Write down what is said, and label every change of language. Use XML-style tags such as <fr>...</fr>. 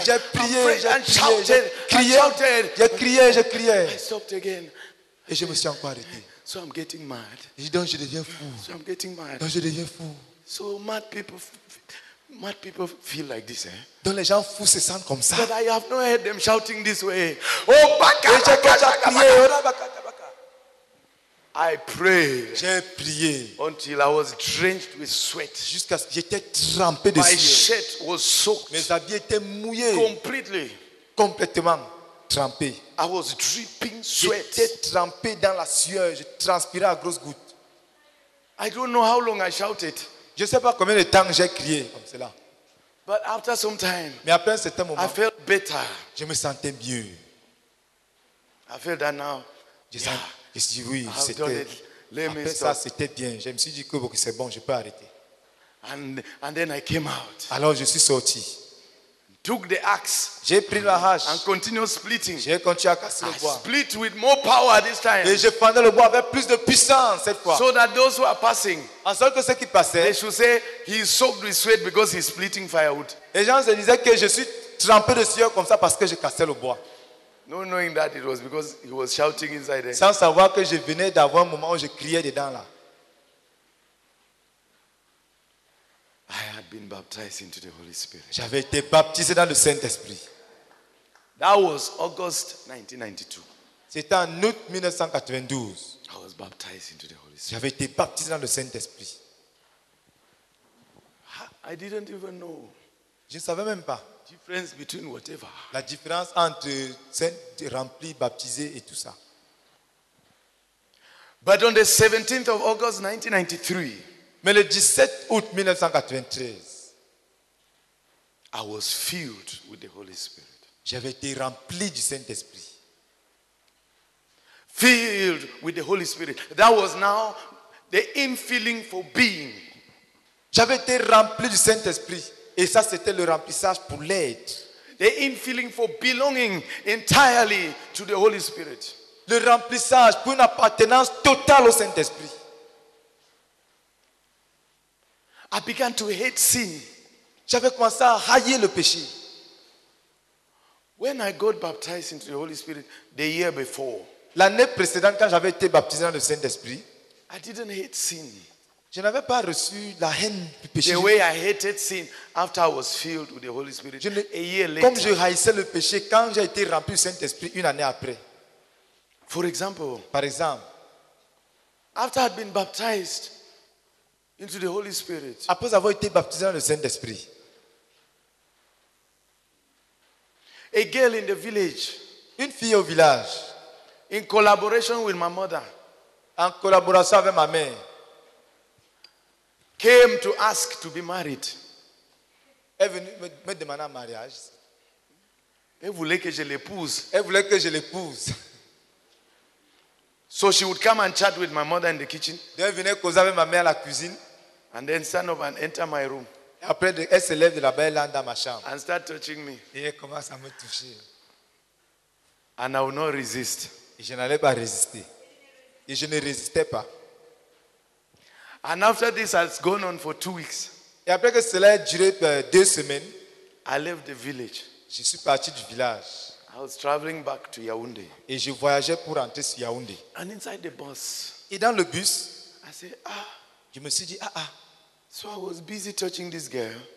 <fr>J'ai prié,</fr> <en>and shouted.</en> <fr>J'ai crié.</fr> <en>I stopped again.</en> <fr>Et je me suis encore arrêté.</fr> <en>So I'm getting mad.</en> <fr>Donc je deviens fou.</fr> <en>So I'm getting mad.</en> <fr>Donc je deviens fou.</fr> <en>So mad people feel like this, eh?</en> <fr>Donc les gens fous se sentent comme ça.</fr> <en>But I have not heard them shouting this way. Oh, bakaraka shaka bakaraka. I prayed.</en> <fr>J'ai prié.</fr> <en>Until I was drenched with sweat.</en> <fr>Jusqu'à ce que j'étais trempé de sueur.</fr> <en>My shirt was soaked.</en> <fr>Mes habits étaient mouillés.</fr> <en>Completely.</en> <fr>Complètement trempé.</fr> <en>I was dripping sweat.</en> <fr>J'étais trempé dans la sueur. Je transpirais à grosses gouttes.</fr> <en>I don't know how long I shouted.</en> <fr>Je ne sais pas combien de temps j'ai crié comme cela.</fr> <en>But after some time,</en> <fr>mais après un certain moment,</fr> <en>I felt better.</en> <fr>Je me sentais mieux.</fr> <en>I feel that now.</en> <fr>Je me suis dit, oui, c'était bien. Je me suis dit que c'est bon, je peux arrêter.</fr> <en>And then I came out.</en> <fr>Alors je suis sorti.</fr> <en>Took the axe.</en> <fr>J'ai pris la hache.</fr> <en>And continued splitting.</en> <fr>J'ai continué à casser le bois.</fr> <en>I split with more power this time.</en> <fr>Et je fendais le bois avec plus de puissance cette fois.</fr> <en>So that those who are passing,</en> <fr>en sorte que ceux qui passaient,</fr> <en>they should say he is soaked with sweat because he's splitting firewood.</en> <fr>Les gens se disaient que je suis trempé de sueur comme ça parce que je cassais le bois.</fr> <en>No knowing that it was because he was shouting inside there.</en> <fr>Sans savoir que je venais d'avoir un moment où je criais dedans là.</fr> <en>I had been baptized into the Holy Spirit.</en> <fr>J'avais été baptisé dans le Saint-Esprit.</fr> <en>That was August 1992.</en> <fr>C'était en août 1992.</fr> <en>I was baptized into the Holy Spirit.</en> <fr>J'avais été baptisé dans le Saint-Esprit.</fr> <en>I didn't even know.</en> <fr>Je ne savais même pas.</fr> <en>Difference between whatever.</en> <fr>La différence entre être rempli, baptisé et tout ça.</fr> <en>But on the 17th of August 1993,</en> <fr>mais le 17 août 1993,</fr> <en>I was filled with the Holy Spirit.</en> <fr>J'avais été rempli du Saint-Esprit.</fr> <en>Filled with the Holy Spirit. That was now the infilling for being.</en> <fr>J'avais été rempli du Saint-Esprit. Et ça, c'était le remplissage pour l'être.</fr> <en>The infilling for belonging entirely to the Holy Spirit.</en> <fr>Le remplissage pour une appartenance totale au Saint-Esprit.</fr> <en>I began to hate sin.</en> <fr>J'avais commencé à haïr le péché.</fr> <en>When I got baptized into the Holy Spirit the year before,</en> <fr>l'année précédente, quand j'avais été baptisé dans le Saint-Esprit,</fr> <en>I didn't hate sin.</en> <fr>Je n'avais pas reçu la haine du péché.</fr> <en>The way I hated sin after I was filled with the Holy Spirit. A year later.</en> <fr>Comme je haïssais le péché quand j'ai été rempli du Saint-Esprit une année après.</fr> <en>For example.</en> <fr>Par exemple.</fr> <en>After I had been baptized into the Holy Spirit.</en> <fr>Après avoir été baptisé dans le Saint-Esprit.</fr> <en>A girl in the village.</en> <fr>Une fille au village.</fr> <en>In collaboration with my mother.</en> <fr>En collaboration avec ma mère.</fr> <en>Came to ask to be married.</en> <fr>Elle venait me demander un mariage. Elle voulait que je l'épouse. Elle voulait que je l'épouse.</fr> <en>So she would come and chat with my mother in the kitchen.</en> <fr>Elle venait causer avec ma mère à la cuisine.</fr> <en>And then stand up and enter my room.</en> <fr>Après, elle se lève de la belle lande dans ma chambre.</fr> <en>And start touching me.</en> <fr>Et elle commence à me toucher.</fr> <en>And I will not resist.</en> <fr>Et je n'allais pas résister. Et je ne résistais pas.</fr> <en>And after this has gone on for 2 weeks.</en> <fr>Et après que cela a duré deux semaines,</fr> <en>I left the village.</en> <fr>Je suis parti du village.</fr> <en>I was traveling back to Yaoundé.</en> <fr>Et je voyageais pour rentrer sur Yaoundé.</fr> <en>And inside the bus.</en> <fr>Et dans le bus,</fr> <en>I said, ah.</en> <fr>Je me suis dit, ah ah.</fr> <en>So I was busy touching this girl.</en>